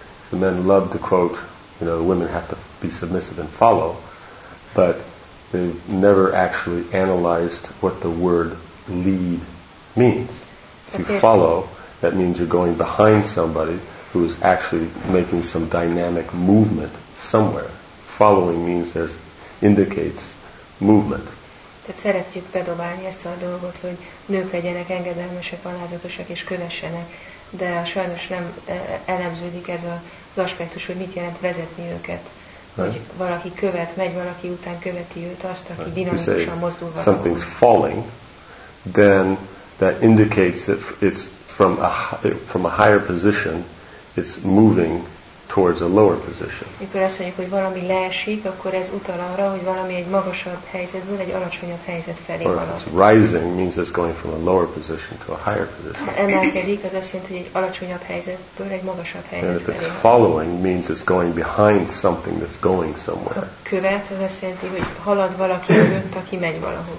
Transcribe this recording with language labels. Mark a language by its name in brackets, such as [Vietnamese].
[English] The men love to quote, you know, the women have to be submissive and follow, but they've never actually analyzed what the word lead means. If you follow, that means you're going behind somebody who is actually making some dynamic movement somewhere. Following means there's indicates movement. [Hungarian] Tehát szeretjük bedobálni ezt a dolgot, hogy nők legyenek engedelmesek, alázatosak és kövessenek, de sajnos nem elemződik ez az aspektus, hogy mit jelent vezetni őket. Hogy valaki követ, megy valaki után, követi őt azt, aki dinamikusan mozdul valahol. [English] Something's falling, then that indicates that it's from a higher position, it's moving towards a lower position. [Hungarian] Mikor azt mondjuk, hogy valami leesik, akkor ez utal arra, hogy valami egy magasabb helyzetből egy alacsonyabb helyzet felé halad. [English] It's rising means it's going from a lower position to a higher position. [Hungarian] Emelkedik, az azt jelenti, hogy egy alacsonyabb helyzetből egy magasabb helyzet felé. [English] And it's following means it's going behind something that's going somewhere. [Hungarian] Követ, az azt jelenti, hogy halad valaki előtt, aki megy valahol.